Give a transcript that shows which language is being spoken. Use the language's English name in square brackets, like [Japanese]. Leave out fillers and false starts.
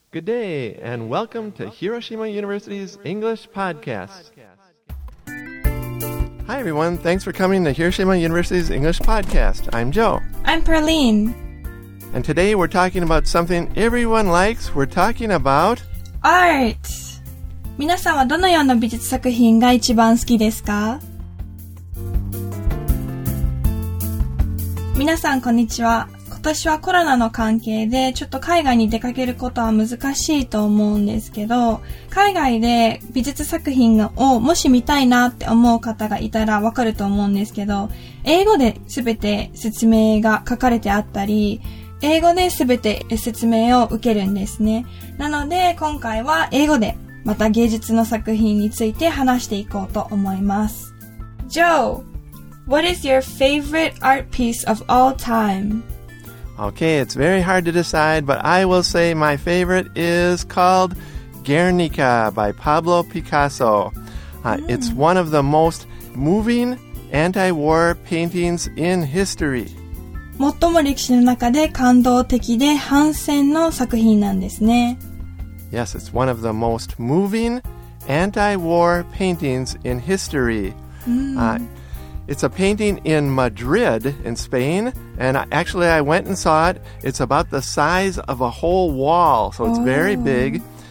[English] Good day, and welcome to Hiroshima University's English Podcast. Hi, everyone. Thanks for coming to Hiroshima University's English Podcast. I'm Joe. I'm Praline. And today we're talking about something everyone likes. We're talking about... Art! [Japanese] 皆さんはどのような美術作品が一番好きですか? 皆さん、こんにちは。私はコロナの関係でちょっと海外に出かけることは難しいと思うんですけど、海外で美術作品をもし見たいなって思う方がいたらわかると思うんですけど、英語で全て説明が書かれてあったり、英語で全て説明を受けるんですね。なので今回は英語でまた芸術の作品について話していこうと思います。 [English] Joe, what is your favorite art piece of all time? Okay, it's very hard to decide, but I will say my favorite is called Guernica by Pablo Picasso. It's one of the most moving anti-war paintings in history. [Japanese] 最も歴史の中で感動的で反戦の作品なんですね。 [English] Yes, it's one of the most moving anti-war paintings in history. It's a painting in Madrid in Spain, and actually I went and saw it. It's about the size of a whole wall, so it's very big.